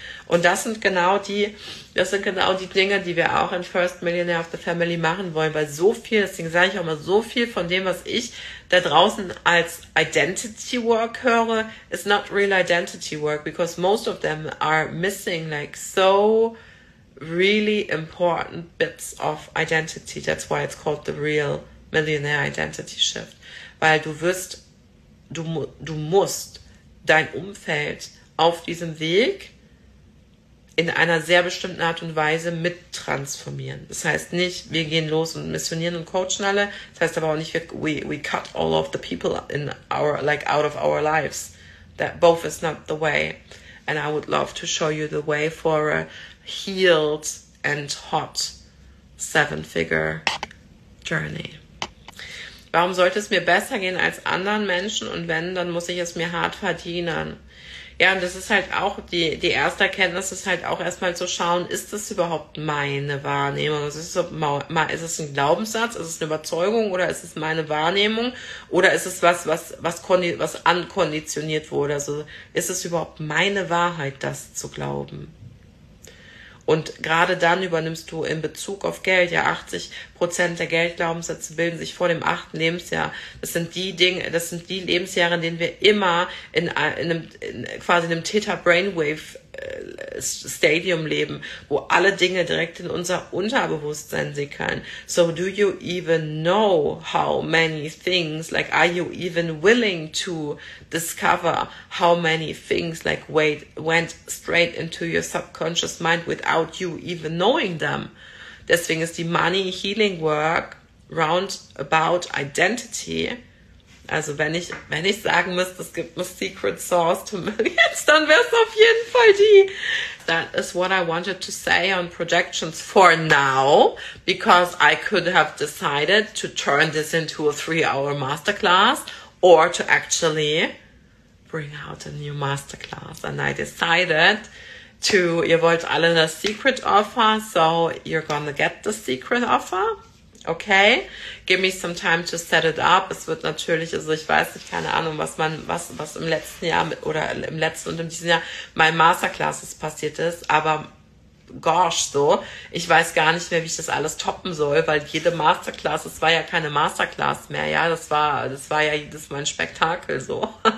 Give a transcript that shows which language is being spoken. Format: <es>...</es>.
<de>Und das sind genau die Dinge, die wir auch in First Millionaire of the Family machen wollen, weil so viel, deswegen sage ich auch mal, so viel von dem, was ich da draußen als Identity Work höre,</de> <en>is not real Identity Work, because most of them are missing like so really important bits of identity. That's why it's called the real Millionaire Identity Shift.</en> <de>Weil du musst dein Umfeld auf diesem Weg in einer sehr bestimmten Art und Weise mit transformieren. Das heißt nicht, wir gehen los und missionieren und coachen alle. Das heißt aber auch nicht,</de> <en>we cut all of the people in our, like out of our lives. That both is not the way. And I would love to show you the way for a healed and hot seven-figure journey.</en> <de>Warum sollte es mir besser gehen als anderen Menschen? Und wenn, dann muss ich es mir hart verdienen. Ja, und das ist halt auch die erste Erkenntnis, ist halt auch erstmal zu schauen, ist das überhaupt meine Wahrnehmung? Ist es ein Glaubenssatz? Ist es eine Überzeugung? Oder ist es meine Wahrnehmung? Oder ist es was ankonditioniert wurde? Also ist es überhaupt meine Wahrheit, das zu glauben? Und gerade dann übernimmst du in Bezug auf Geld ja 80 Prozent der Geldglaubenssätze bilden sich vor dem 8. Lebensjahr. Das sind die Dinge, das sind die Lebensjahre, in denen wir immer in einem Theta-Brainwave-Stadium leben, wo alle Dinge direkt in unser Unterbewusstsein sickern.</de> <en>So do you even know how many things, like are you even willing to discover how many things like went straight into your subconscious mind without you even knowing them?</en> <de>Deswegen ist die Money Healing Work</de> <en>round about identity.</en> <de>Also wenn ich sagen müsste, es gibt eine Secret Source to Millions, dann wäre es auf jeden Fall die.</de> <en>That is what I wanted to say on projections for now, because I could have decided to turn this into a 3-hour masterclass or to actually bring out a new masterclass. And I decided to,</en> <de>ihr wollt alle das Secret Offer,</de> <en>so you're gonna get the Secret Offer. Okay, give me some time to set it up.</en> <de>Es wird natürlich, also ich weiß nicht, keine Ahnung, was im letzten Jahr oder im letzten und in diesem Jahr mein Masterclasses passiert ist, aber gosh, so, ich weiß gar nicht mehr, wie ich das alles toppen soll, weil jede Masterclass, es war ja keine Masterclass mehr, ja, das war ja jedes Mal ein Spektakel, so.</de>